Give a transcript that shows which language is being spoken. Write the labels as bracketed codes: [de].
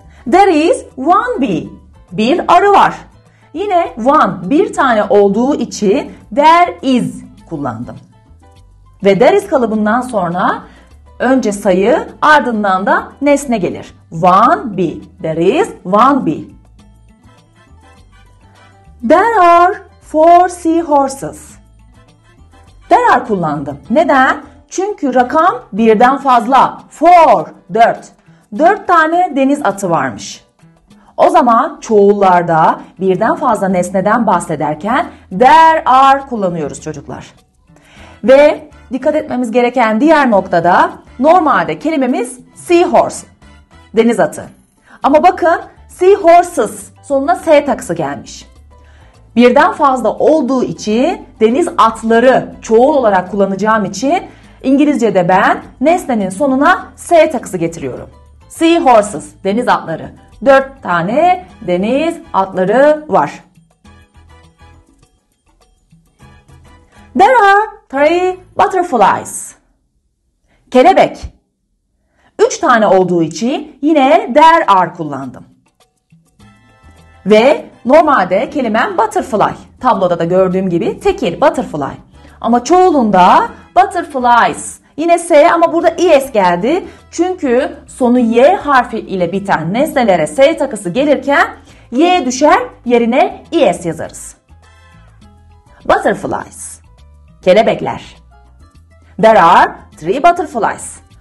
[en] There is one bee. [tr] Bir arı var. Yine one, bir tane olduğu için there is kullandım. Ve there is kalıbından sonra önce sayı, ardından da nesne gelir. [en] One bee. There is one bee. There are four seahorses. [tr] There are kullandım. Neden? Çünkü rakam birden fazla. Four, dört. Dört tane deniz atı varmış. O zaman çoğullarda birden fazla nesneden bahsederken there are kullanıyoruz çocuklar. Ve dikkat etmemiz gereken diğer noktada normalde kelimemiz seahorse, deniz atı. Ama bakın seahorses sonuna S takısı gelmiş. Birden fazla olduğu için deniz atları çoğul olarak kullanacağım için İngilizce'de ben nesnenin sonuna S takısı getiriyorum. Seahorses, deniz atları. Dört tane deniz atları var. [en] There are three butterflies. [tr] Kelebek. Üç tane olduğu için yine there are kullandım. Ve normalde kelimem butterfly. Tabloda da gördüğüm gibi tekil butterfly. Ama çoğulunda butterflies. Yine S ama burada IS geldi. Çünkü sonu Y harfi ile biten nesnelere S takısı gelirken Y düşer, yerine IS yazarız. Butterflies. Kelebekler. [en] There are three butterflies.